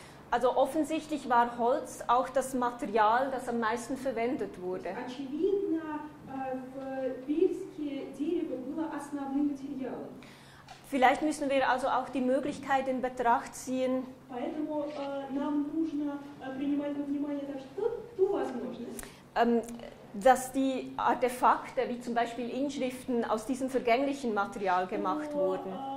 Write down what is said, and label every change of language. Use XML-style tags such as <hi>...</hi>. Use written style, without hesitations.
<de>Also offensichtlich war Holz auch das Material, das am meisten verwendet wurde.</de> <ru>Очевидно, в Бирске основным материалом.</ru> <de>Vielleicht müssen wir also auch die Möglichkeit in Betracht ziehen.</de> <ru>Поэтому нам нужно принимать во внимание даже ту возможность.</ru> <de>Dass die Artefakte, wie zum Beispiel Inschriften, aus diesem vergänglichen Material gemacht wurden.</de>